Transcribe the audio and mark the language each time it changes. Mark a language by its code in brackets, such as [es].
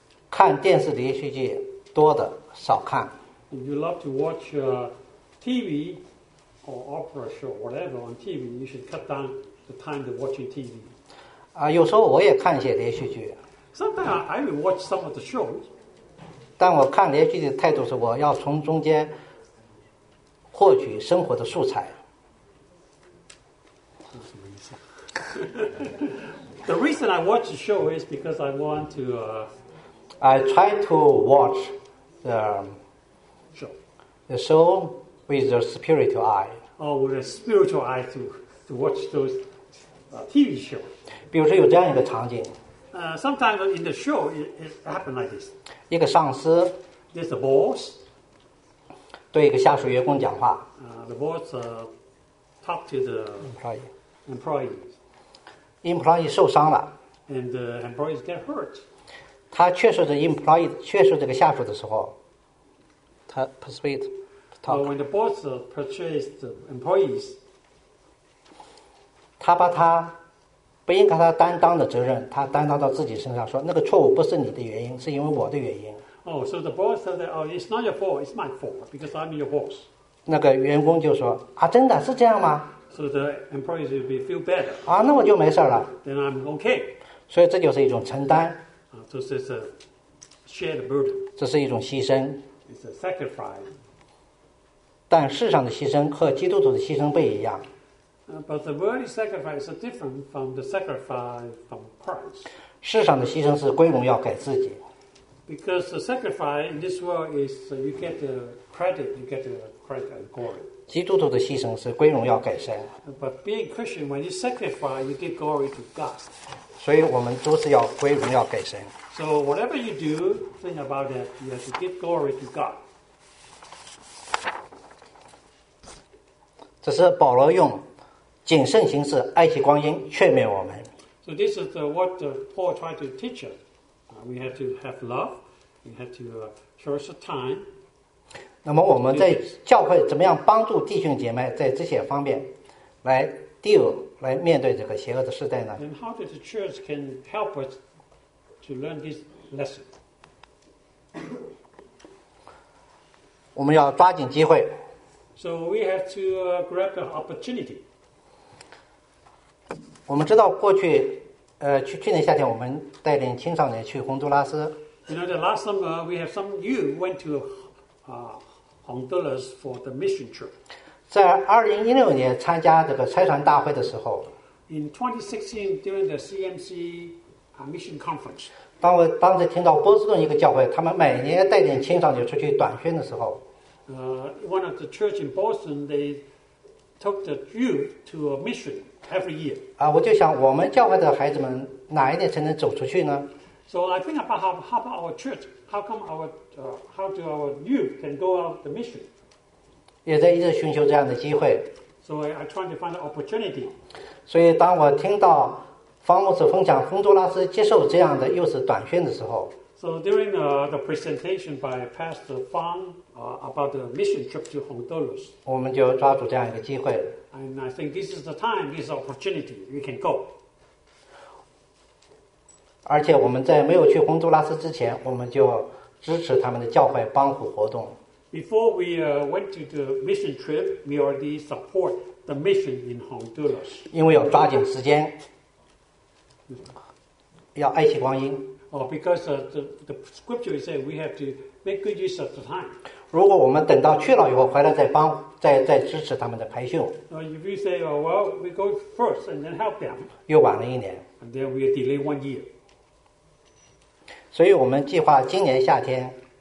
[zh] 看电视连续剧多的少看。 [en] If you love to watch TV or opera show, whatever on TV, you should cut down the time to watching TV. [zh] 有时候我也看一些连续剧。 [en] Sometimes I will watch some of the shows. [zh] 但我看连续剧的态度是我要从中间获取生活的素材。这是什么意思？ [en] The reason I watch the show is because I want to. I try to watch the show. The show with the spiritual eye. Oh, with a spiritual eye to watch those TV shows. [zh] 比如说有这样一个场景。 [en] Sometimes in the show it happens like this. [zh] 一个上司。 [en] There's a boss. [zh] 对一个下属员工讲话。 [en] The boss talk to the employee. [zh] Employee 受伤了 [en] ，and the employees get hurt. [zh] 他劝说着 employee 劝说这个下属的时候，他 [en] persuade talk. When the boss persuades the employees, [zh] 他把他不应该他担当的责任，他担当到自己身上，说那个错误不是你的原因，是因为我的原因。 [en] Oh, so the boss said, "Oh, it's not your fault. It's my fault because I'm your boss." [zh] 那个员工就说：“啊，真的是这样吗？” [en] So the employees will feel better. [zh] 啊，那我就没事了。 [en] Then I'm okay. [zh] 所以这就是一种承担。 [en] So it's a shared burden. [zh] 这是一种牺牲。 [en] It's a sacrifice. [zh] 但世上的牺牲和基督徒的牺牲不一样。 [en] But the worldly sacrifice is different from the sacrifice from Christ. [zh] 世上的牺牲是归荣耀给自己。 [en] Because the sacrifice in this world is you get the credit, you get the credit and glory. [zh] 基督徒的牺牲是归荣耀给神。 [en] But being Christian, when you sacrifice, you give glory to God. [zh] 所以我们都是要归荣耀给神。 [en] So whatever you do, think about that, you have to give glory to God. [zh] 这是保罗用谨慎行事、爱惜光阴劝勉我们。 [en] So this is what Paul tried to teach us. We have to have love. We have to cherish the time. [zh] 那么我们在教会怎么样帮助弟兄姐妹在这些方面来 deal 来面对这个邪恶的时代呢？ [en] And how does the church can help us to learn this lesson? [zh] 我们要抓紧机会。 [en] So we have to grab the opportunity. [zh] 我们知道过去，去年夏天我们带领青少年去洪都拉斯。 [en] You know, the last summer we have some youth went to Honduras for the mission trip. [zh] 在2016年参加这个拆船大会的时候 [en] ，In 2016 during the CMC mission conference, [zh] 当我当时听到波士顿一个教会，他们每年带领青少年出去短宣的时候 [en] ，One of the church in Boston they took the youth to a mission every year. [zh] 我就想我们教会的孩子们哪一年才能走出去呢 [en] ？So I think about how about our church. How come how do our youth can go out the mission? [zh] 也在一直寻求这样的机会。 [en] So I trying to find an opportunity. [zh] 所以当我听到方牧师分享洪都拉斯接受这样的又是短宣的时候 [en] ，So during the presentation by Pastor Fang about the mission trip to Honduras, [zh] 我们就抓住这样一个机会。 [en] And I think this is the time, this opportunity, we can go. [zh] 而且我们在没有去洪都拉斯之前，我们就支持他们的教会帮扶活动。 [en] Before we went to the mission trip, we already support the mission in Honduras. [zh] 因为要抓紧时间，要爱惜光阴。 [en] Oh, because the scripture is saying we have to make good use of the time. [zh] 如果我们等到去了以后回来再帮再支持他们的排休。 [en] If you say, oh, well, we go first and then help them. [zh] 又晚了一年。 [en] And then we delay 1 year. [zh] 所以我们计划今年夏天。